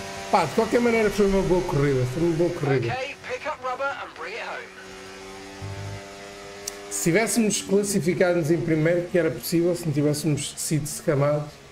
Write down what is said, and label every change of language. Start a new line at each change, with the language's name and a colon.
Portuguese: Pá, de qualquer maneira foi uma boa corrida, foi uma boa corrida.
English: Okay, pick up rubber and bring it home.
Portuguese: Se tivéssemos classificado-nos em primeiro, que era possível, se não tivéssemos sido escamados.